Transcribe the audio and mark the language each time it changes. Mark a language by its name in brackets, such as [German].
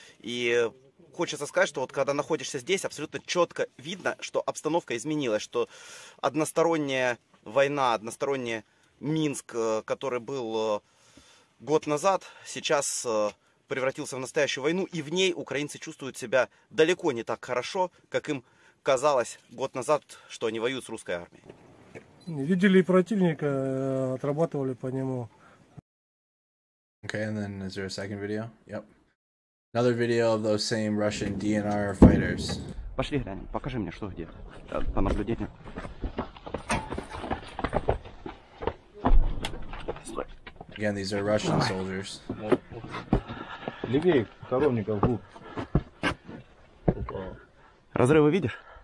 [Russian] И хочется сказать, что вот когда находишься здесь, абсолютно четко видно, что обстановка изменилась, что односторонняя война, односторонний Минск, который был год назад, сейчас превратился в настоящую войну, и в ней украинцы чувствуют себя далеко не так хорошо, как им казалось год назад, что они воюют с русской армией. Видели противника, отрабатывали по нему. [English] Okay, and then is there a second video? Yep. Another video of those same Russian DNR fighters. [Russian] Пошли глянем, покажи мне, что где. По наблюдению. [English] Again, these are Russian soldiers. [Russian] Левее, коровника вглубь. Разрывы видишь?